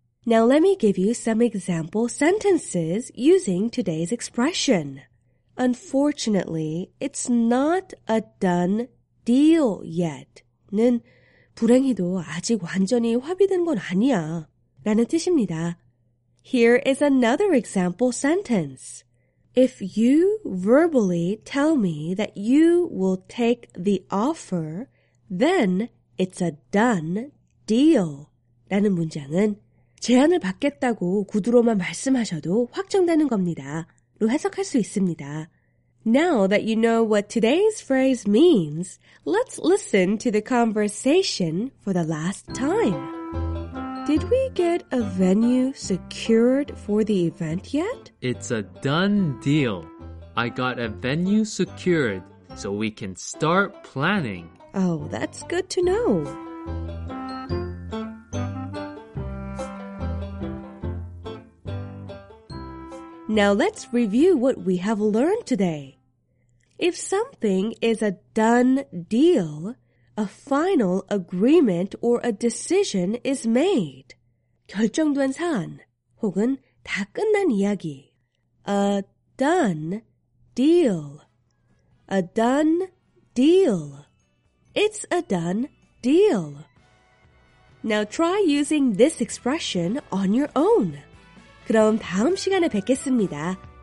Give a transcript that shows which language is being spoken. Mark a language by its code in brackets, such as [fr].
[en] Now let me give you some example sentences using today's expression. Unfortunately, it's not a done deal yet. [ko] 는 불행히도 아직 완전히 합의된 건 아니야 라는 뜻입니다. [en] Here is another example sentence. If you verbally tell me that you will take the offer, then it's a done deal. [ko] 라는 문장은 제안을 받겠다고 구두로만 말씀하셔도 확정되는 겁니다. 로 해석할 수 있습니다. [en] Now that you know what today's phrase means, let's listen to the conversation for the last time. Did we get a venue secured for the event yet? It's a done deal. I got a venue secured so we can start planning. Oh, that's good to know. Now let's review what we have learned today. If something is a done deal, a final agreement or a decision is made. [ko] 결정된 사안 혹은 다 끝난 이야기. [en] A done deal. A done deal. It's a done deal. Now try using this expression on your own. [ko] 그럼 다음 시간에 뵙겠습니다.